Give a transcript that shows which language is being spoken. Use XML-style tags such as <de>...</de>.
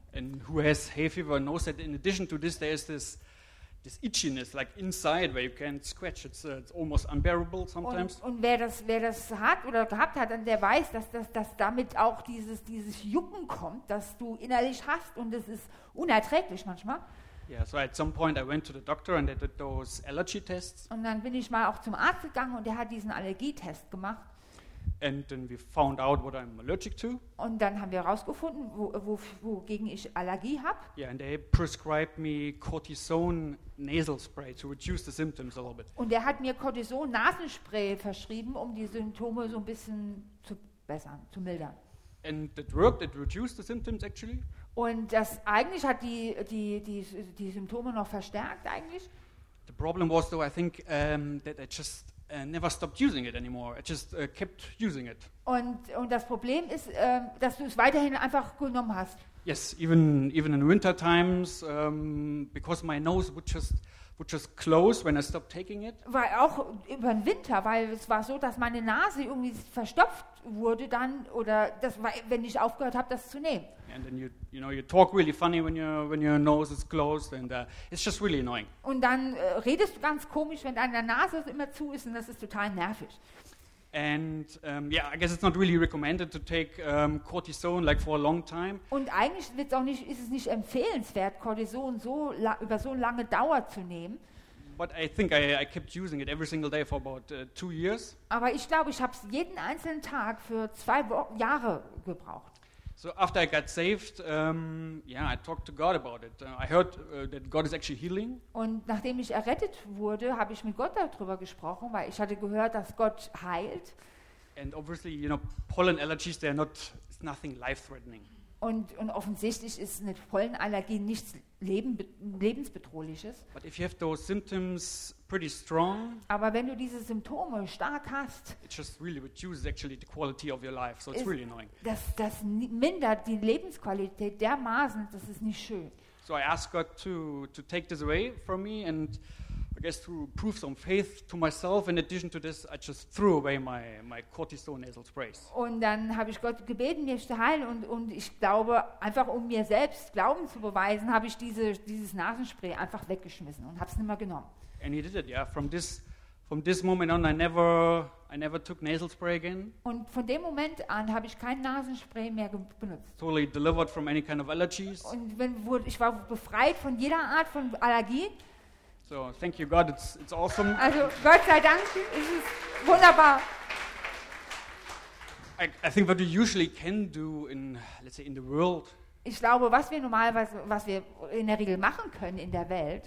<en>And who has hay fever knows that in addition to this, there is this itchiness, like inside, where you can't scratch. It's almost unbearable sometimes.</en> <de>Und wer das hat oder gehabt hat, dann der weiß, dass damit auch dieses Jucken kommt, das du innerlich hast, und es ist unerträglich manchmal.</de> <en>Yeah, so at some point I went to the doctor and they did those allergy tests.</en> <de>Und dann bin ich mal auch zum Arzt gegangen und der hat diesen Allergietest gemacht.</de> <en>And then we found out what I'm allergic to.</en> <de>Und dann haben wir herausgefunden, wogegen ich Allergie habe.</de> <en>Yeah, and they prescribed me cortisone nasal spray to reduce the symptoms a little bit.</en> <de>Und er hat mir Cortison Nasenspray verschrieben, um die Symptome so ein bisschen zu mildern.</de> <en>And it worked. It reduced the symptoms actually.</en> <de>Und das eigentlich hat die Symptome noch verstärkt eigentlich.</de> <en>The problem was though, I think that I just never stopped using it anymore. I just kept using it.</en> <de>Und das Problem ist, dass du es weiterhin einfach genommen hast.</de> <en>Yes, even in winter times, because my nose would just close when I stopped taking it.</en> <de>Weil auch über den Winter, weil es war so, dass meine Nase irgendwie verstopft wurde dann, oder das war, wenn ich aufgehört habe, das zu nehmen.</de> <en>And then you know, you talk really funny when your nose is closed, and it's just really annoying.</en> <de>Und dann redest du ganz komisch, wenn deine Nase immer zu ist, und das ist total nervig.</de> <en>And yeah, I guess it's not really recommended to take cortisone like for a long time.</en> <de>Und eigentlich ist es nicht empfehlenswert, Cortison über so lange Dauer zu nehmen.</de> <en>But I think I kept using it every single day for about 2 years.</en> <de>Aber ich glaube, ich habe es jeden einzelnen Tag für 2 Jahre gebraucht.</de> <en>So after I got saved, I talked to God about it. I heard that God is actually healing.</en> <de>Und nachdem ich errettet wurde, habe ich mit Gott darüber gesprochen, weil ich hatte gehört, dass Gott heilt.</de> <en>And obviously, you know, pollen allergies, they're not, it's nothing life-threatening.</en> <de>Und offensichtlich ist eine Pollenallergie nichts lebensbedrohliches.</de> <en>But if you have those symptoms pretty strong,</en> <de>aber wenn du diese Symptome stark hast,</de> <en>it just really reduces actually the quality of your life, so it's really annoying.</en> <de>Das mindert die Lebensqualität dermaßen, das ist nicht schön.</de> <en>So I asked God to take this away from me, and I guess to prove some faith to myself. In addition to this, I just threw away my cortisone nasal sprays.</en> <de>Und dann habe ich Gott gebeten, mich zu heilen, und ich glaube, einfach um mir selbst Glauben zu beweisen, habe ich dieses Nasenspray einfach weggeschmissen und habe es nicht mehr genommen.</de> <en>And he did it, yeah. From this moment on, I never took nasal spray again.</en> <de>Und von dem Moment an habe ich kein Nasenspray mehr benutzt.</de> <en>Totally delivered from any kind of allergies.</en> <de>Und ich war befreit von jeder Art von Allergie.</de> <en>So, thank you, God. It's awesome.</en> <de>Also, Gott sei Dank, es ist wunderbar.</de> <en>I think what you usually can do in, let's say, in the world.</en> <de>Ich glaube, was wir normalerweise, was wir in der Regel machen können in der Welt.</de>